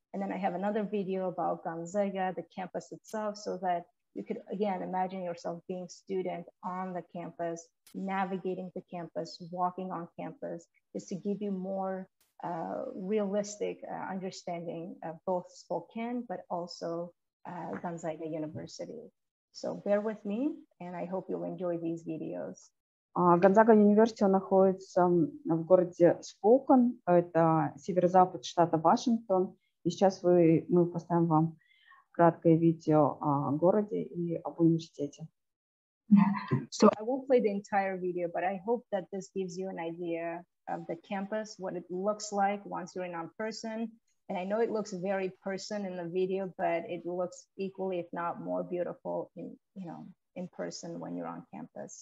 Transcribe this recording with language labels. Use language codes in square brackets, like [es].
[en] And then I have another video about Gonzaga, the campus itself, so that you could, again, imagine yourself being a student on the campus, navigating the campus, walking on campus, just to give you more realistic understanding of both Spokane, but also Gonzaga University. So bear with me, and I hope you'll enjoy these videos. [ru] Gonzaga University находится в городе Spokane. Это северо-запад штата Вашингтон. И сейчас мы поставим вам краткое видео о городе и об университете. [en] So I won't play the entire video, but I hope that this gives you an idea of the campus, what it looks like once you're in on person. And I know it looks very person in the video, but it looks equally, if not more beautiful in, you know, in person when you're on campus.